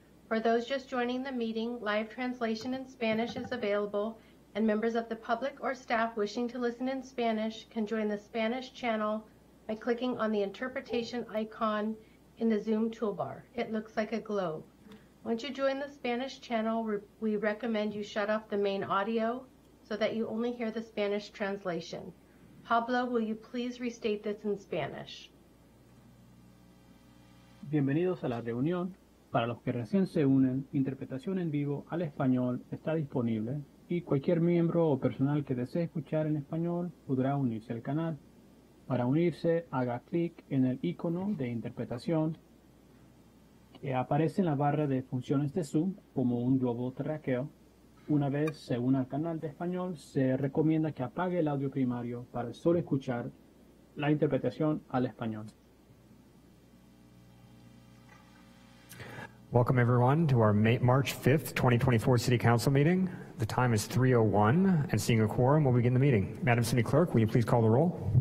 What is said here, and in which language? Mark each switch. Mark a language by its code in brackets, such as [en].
[en] For those just joining the meeting, live translation in Spanish is available, and members of the public or staff wishing to listen in Spanish can join the Spanish channel by clicking on the interpretation icon in the Zoom toolbar. It looks like a globe. Once you join the Spanish channel, we recommend you shut off the main audio so that you only hear the Spanish translation. Pablo, will you please restate this in Spanish? [es] Bienvenidos a la reunión. Para los que recién se unen, interpretación en vivo al español está disponible y cualquier miembro o personal que desee escuchar en español podrá unirse al canal. Para unirse, haga clic en el icono de interpretación que aparece en la barra de funciones de Zoom como un globo terráqueo. Una vez se une al canal de español, se recomienda que apague el audio primario para solo escuchar la interpretación al español. [en] Welcome everyone to our March 5th, 2024 City Council meeting. The time is 3:01 and seeing a quorum, we'll begin the meeting. Madam City Clerk, will you please call the roll?